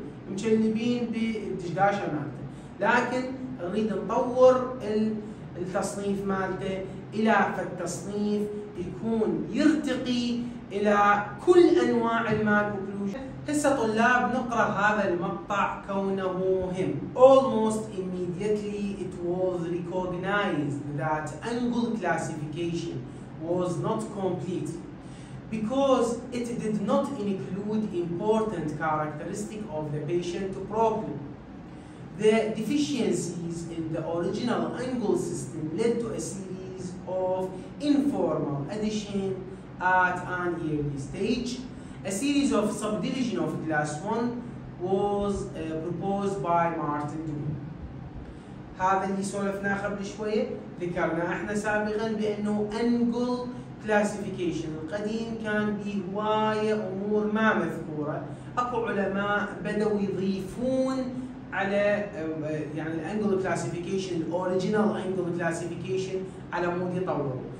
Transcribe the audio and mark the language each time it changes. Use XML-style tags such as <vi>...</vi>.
<ar>مجلبين بالدشداشه مالته، لكن نريد نطور التصنيف مالته الى فد تصنيف يكون يرتقي الى كل انواع المال اوكلوجن. هسه طلاب نقرا هذا المقطع كونه مهم.</ar> <en>Almost immediately it was recognized that angle classification was not complete because it did not include important characteristic of the patient problem. The deficiencies in the original angle system led to a series of informal addition at an early stage. A series of subdivision of class 1 was proposed by Martin Doohan.</en> <ar>هذا اللي سولفنا قبل شوية، ذكرنا احنا سابقا بانه angle classification القديم كان بهواية امور ما مذكورة. اكو علماء بدوا يضيفون على يعني الانجل كلاسيفيكيشن الاوريجينال انجل كلاسيفيكيشن على مود يطوروا.</ar>